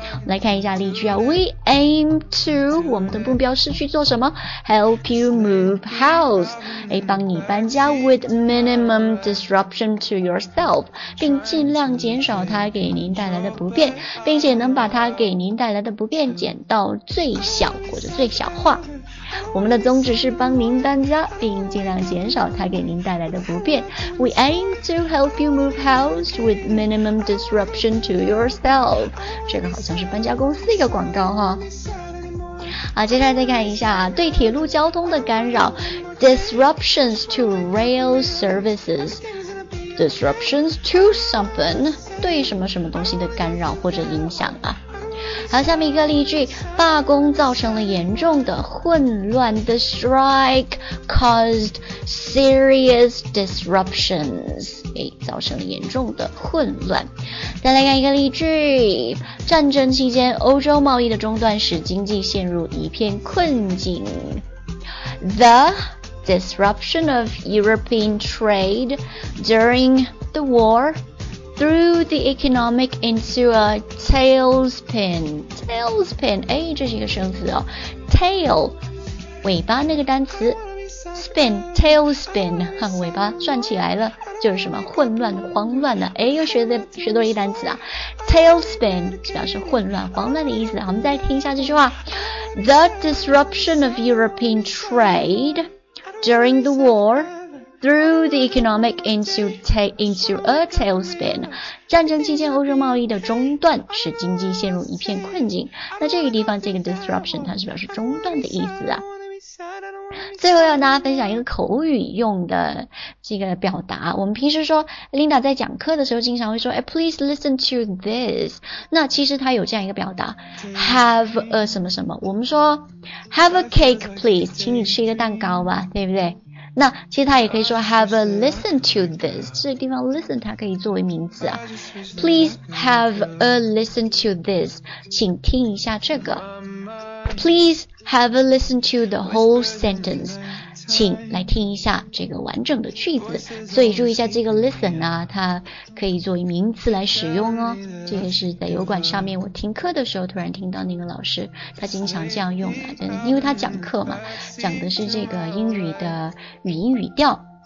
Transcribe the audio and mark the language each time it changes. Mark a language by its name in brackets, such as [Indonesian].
[Chinese] 我们来看一下例句啊， [English] We aim to， [Chinese] 我们的目标是去做什么， [English] help you move house， [Chinese] 帮你搬家， [English] with minimum disruption to yourself， [Chinese] 并尽量减少它给您带来的不便，并且能把它给您带来的不便减到最小或者最小化。我们的宗旨是帮您搬家，并尽量减少它给您带来的不便。 [English] We aim to help you move house with minimum disruption to yourself. [Chinese] 这个好像是搬家公司一个广告哈。啊，接下来再看一下对铁路交通的干扰 ， [English] disruptions to rail services。 [Chinese] disruptions to something 对什么什么东西的干扰或者影响啊。好，下面一个例句，罢工造成了严重的混乱， [English] The strike caused serious disruptions， [Chinese] 造成了严重的混乱。再来看一个例句，战争期间欧洲贸易的中断使经济陷入一片困境， [English] The disruption of European trade during the war threw the economic into a tailspin. [Chinese] Tailspin, 哎，这是一个生词哦。Tail, 尾巴那个单词。 Spin, tailspin, 尾巴转起来了，就是什么混乱、慌乱的。哎，又学多了一单词啊。Tailspin 表示混乱、慌乱的意思。我们再听一下这句话。 [English] The disruption of European trade during the war threw the economic into a tailspin. [Chinese] 战争期间欧洲贸易的中断使经济陷入一片困境。那这个地方这个 disruption 它是表示中断的意思啊。最后要跟大家分享一个口语用的这个表达。我们平时说 Linda 在讲课的时候经常会说、 [English] Please listen to this. [Chinese] 那其实它有这样一个表达 Have a 什么什么，我们说 [English] Have a cake please, [Chinese] 请你吃一个蛋糕吧，对不对？那其实它也可以说 [English] Have a listen to this. [Chinese] 这个地方 listen 它可以作为名词啊。 [English] Please have a listen to this, [Chinese] 请听一下这个。 [English] Please have a listen to the whole sentence. [Chinese] 请来听一下这个完整的句子。所以注意一下这个 listen 啊，它可以作为名词来使用哦。这个是在油管上面我听课的时候突然听到那个老师他经常这样用啊，因为他讲课嘛，讲的是这个英语的语音语调。